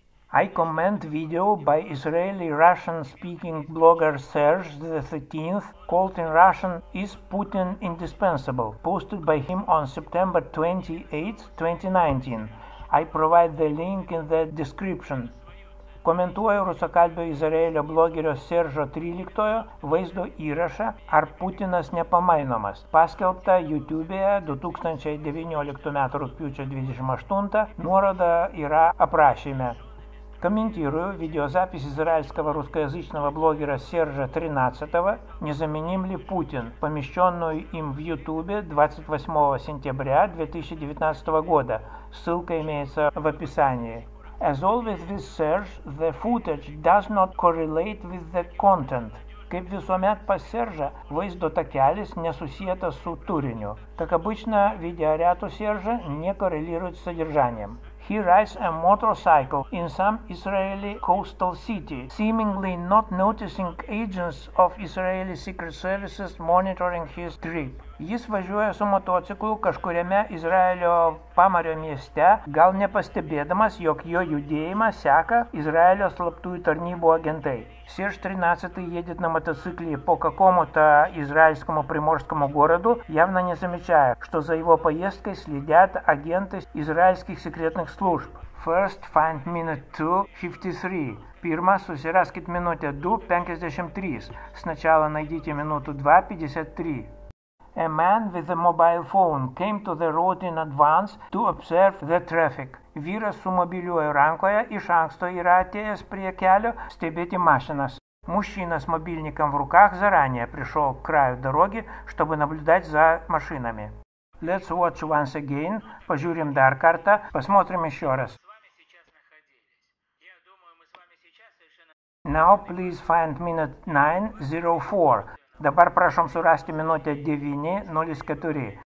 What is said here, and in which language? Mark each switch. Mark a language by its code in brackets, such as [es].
[en] I comment video by Israeli Russian speaking blogger Serge the 13th, called in Russian "Is Putin Indispensable?", posted by him on September 28, 2019. I provide the link in the description. [lt] Komentuoju rusakalbio Izraelio blogerio Seržo 13 vaizdo įrašą "Ar Putinas nepamainomas", paskelbta YouTube'e 2019 m. rugpjūčio 28, nuoroda yra aprašyme. [ru] Комментирую видеозапись израильского русскоязычного блогера Сержа 13-го «Незаменим ли Путин», помещенную им в Ютубе 28 сентября 2019 года. Ссылка имеется в описании. [en] As always with Serge, the footage does not correlate with the content. [lt] Kaip visuomet pas Сержа, vaizdo takelis nesusietas su turiniu. [ru] Как обычно, видеоряд у Сержа не коррелирует с содержанием. [en] He rides a motorcycle in some Israeli coastal city, seemingly not noticing agents of Israeli secret services monitoring his trip. [lt] Jis važiuoja su motociklu kažkuriame Izraelio Pamario mieste, gal nepastebėdamas, jog jo judėjimą seka Izraelio slaptųjų tarnybų agentai. [ru] Серж 13 едет на мотоцикле по какому-то израильскому приморскому городу, явно не замечая, что за его поездкой следят агенты израильских секретных служб. [en] First find minute 2:53. [lt] Pirma, susiraskit minutę 2:53. [ru] Сначала найдите минуту 2:53. [en] A man with a mobile phone came to the road in advance to observe the traffic. [lt] Vyras su mobiliuoju rankoje iš anksto yra atėjęs prie kelio stebėti mašinas. [ru] Мужчина с мобильником в руках заранее пришел к краю дороги, чтобы наблюдать за машинами. [en] Let's watch once again. [lt] Пожурим дар карта. [ru] Посмотрим еще раз. [en] Now please find minute 9:04. [lt] Dabar prašom surasti minutę 9:04.